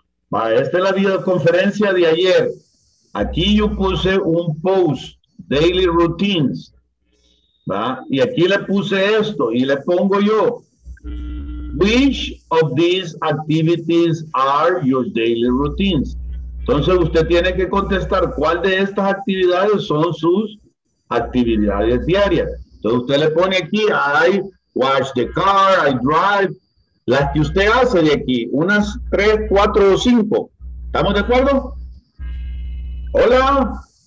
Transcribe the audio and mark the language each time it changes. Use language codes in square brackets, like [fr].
[es] Vale, esta es la videoconferencia de ayer. Aquí yo puse un post, Daily Routines. ¿Va? Y aquí le puse esto y le pongo yo. [en] Which of these activities are your daily routines? [es] Entonces usted tiene que contestar cuál de estas actividades son sus actividades diarias. Entonces usted le pone aquí, [en] I wash the car, I drive. [es] Las que usted hace de aquí, unas 3, 4 o 5. ¿Estamos de acuerdo? Hola.